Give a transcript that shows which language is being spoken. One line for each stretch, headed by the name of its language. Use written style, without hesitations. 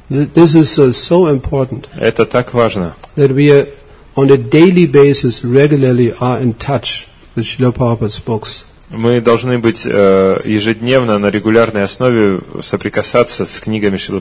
English: This is so important.
Russian: Это так важно.
English: That we are on a daily basis regularly are in touch with Shrila Prabhupada's books.
Russian: Мы должны быть ежедневно на регулярной основе соприкасаться с книгами Шрилы